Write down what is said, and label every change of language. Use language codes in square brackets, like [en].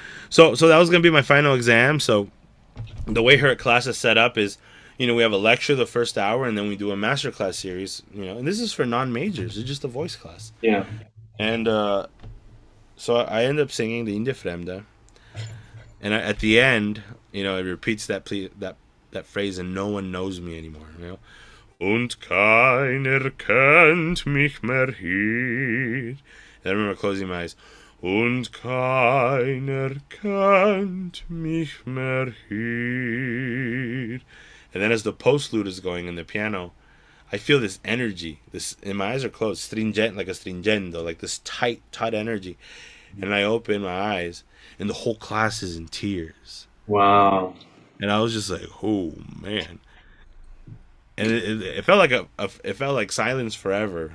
[en] So that was going to be my final exam. So the way her class is set up is, we have a lecture the first hour, and then we do a master class series, and this is for non-majors. It's just a voice class. Yeah. And so I end up singing the "In der Fremde," and at the end, it repeats that phrase, and no one knows me anymore. [de] "Und keiner kennt mich mehr hier." [en] And I remember closing my eyes. [de] "Und keiner kennt mich mehr hier." [en] And then as the postlude is going in the piano, I feel this energy. And my eyes are closed, stringent, like a stringendo, like this tight, taut energy. And I open my eyes, and the whole class is in tears. Wow. And I was just like, oh, man. And it felt like it felt like silence forever.